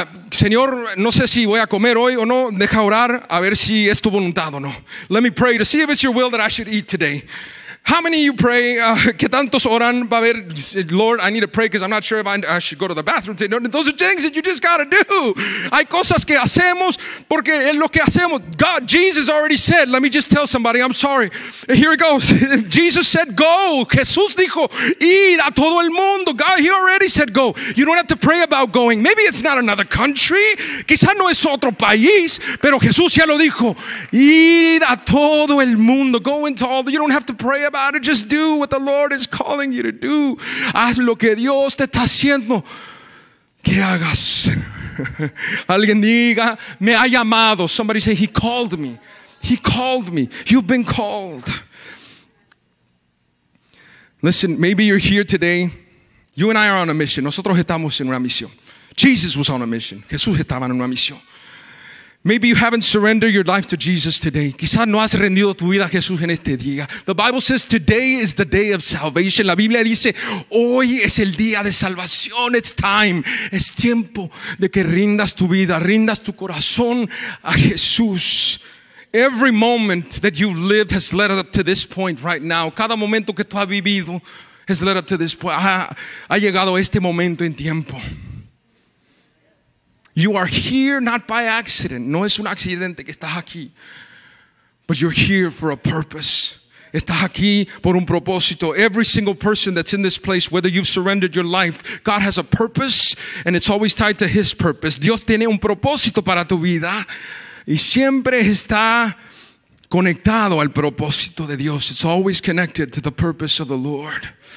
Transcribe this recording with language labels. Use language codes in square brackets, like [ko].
[es] Señor, no sé si voy a comer hoy o no. Deja orar a ver si es tu voluntad o no. [en] Let me pray to see if it's your will that I should eat today. How many of you pray? [es] ¿Qué tantos oran? Va a ver, [en] Lord, I need to pray because I'm not sure if I should go to the bathroom today. No, those are things that you just got to do. [es] Hay cosas que hacemos porque es lo que hacemos. [en] God, Jesus already said, let me just tell somebody, I'm sorry. Here it goes. Jesus said, go. [es] Jesús dijo, ir a todo el mundo. [en] God, he already said, go. You don't have to pray about going. Maybe it's not another country. [es] Quizá no es otro país, pero Jesús ya lo dijo. Ir a todo el mundo. [en] Go into all. You don't have to pray about it. Just do what the Lord is calling you to do. [es] Haz lo que Dios te está haciendo que hagas. Alguien diga, me ha llamado. [en] Somebody say, he called me. You've been called. Listen, maybe you're here today. You and I are on a mission. [es] Nosotros estamos en una misión. [en] Jesus was on a mission. [es] Jesús estaba en una misión. [en] Maybe you haven't surrendered your life to Jesus today. [es] Quizá no has rendido tu vida a Jesús en este día. [en] The Bible says today is the day of salvation. [es] La Biblia dice, hoy es el día de salvación. [en] It's time. [es] Es tiempo de que rindas tu vida, rindas tu corazón a Jesús. [en] Every moment that you've lived has led up to this point right now. [es] Cada momento que tú has vivido [en] has led up to this point. [es] Ha llegado este momento en tiempo. [en] You are here not by accident. [es] No es un accidente que estás aquí. [en] But you're here for a purpose. [es] Estás aquí por un propósito. [en] Every single person that's in this place, whether you've surrendered your life, God has a purpose and it's always tied to His purpose. [es] Dios tiene un propósito para tu vida y siempre está conectado al propósito de Dios. [en] It's always connected to the purpose of the Lord.